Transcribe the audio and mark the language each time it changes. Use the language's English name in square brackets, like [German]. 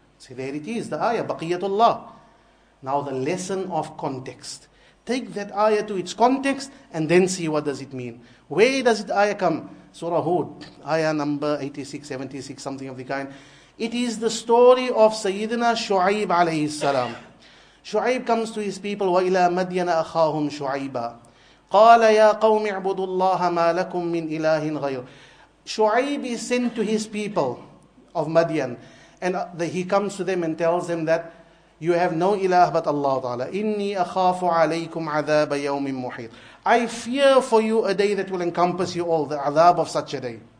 [English] See, there it is, the ayah, Baqiyatullah. Now the lesson of context. Take that ayah to its context and then see what does it mean. Where does the ayah come? Surah Hud, ayah number 86, 76, something of the kind. It is the story of Sayyidina Shu'aib alayhi salam. Shu'aib comes to his people, [Arabic] وَإِلَىٰ مَدْيَنَ أَخَاهُمْ شُعَيْبًا قَالَ يَا قَوْمِ اعْبُدُ اللَّهَ مَا لَكُمْ مِنْ إِلَٰهٍ غَيْرٍ. [English] Shu'aib is sent to his people of Madian, and he comes to them and tells them that you have no ilah but Allah Ta'ala. [Arabic] إِنِّي أَخَافُ عَلَيْكُمْ عَذَابَ يَوْمٍ مُحِيطٍ. [English] I fear for you a day that will encompass you all, the azab of such a day.